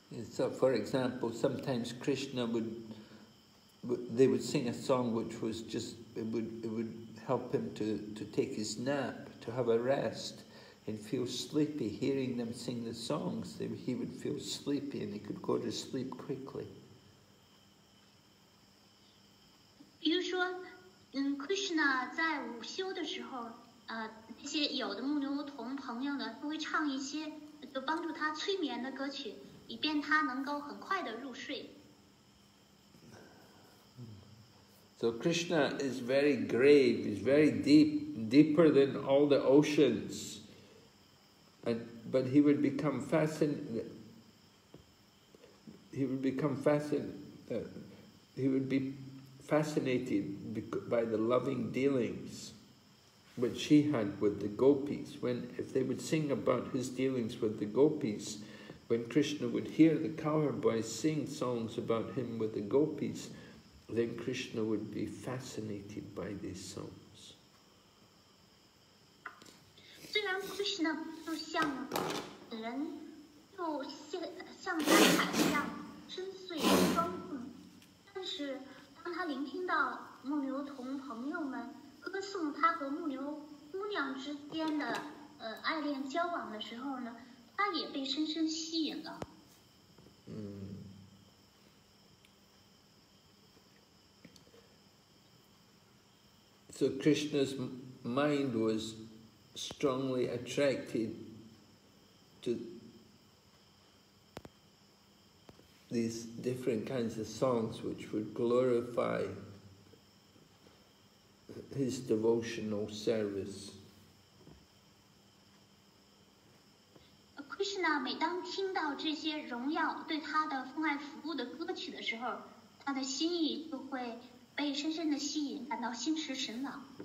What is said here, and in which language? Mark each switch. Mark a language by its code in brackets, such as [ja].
[en] So for example, sometimes Krishna would, they would sing a song which was just, it would help him to take his nap, to have a rest, and feel sleepy. Hearing them sing the songs, he would feel sleepy and he could go to sleep quickly. [zh] 比如说，Krishna 在午休的时候，那些有的牧牛童朋友呢，都会唱一些就帮助他催眠的歌曲，以便他能够很快的入睡。 [en] So Krishna is very grave, he's very deep, deeper than all the oceans. But he would be fascinated by the loving dealings which he had with the gopis. If they would sing about his dealings with the gopis, when Krishna would hear the cowherd boys sing songs about him with the gopis, then Krishna would be fascinated by these songs. [zh] 虽然 Krishna 就像人，就像大海一样深邃庄重，但是当他聆听到牧牛童朋友们歌颂他和牧牛姑娘之间的爱恋交往的时候呢，他也被深深吸引了。 [en] So Krishna's mind was strongly attracted to these different kinds of songs which would glorify his devotional service. [zh] Krishna, 每当听到这些荣耀对他的奉爱服务的歌曲的时候，他的心意就会被深深的吸引，感到心驰神往。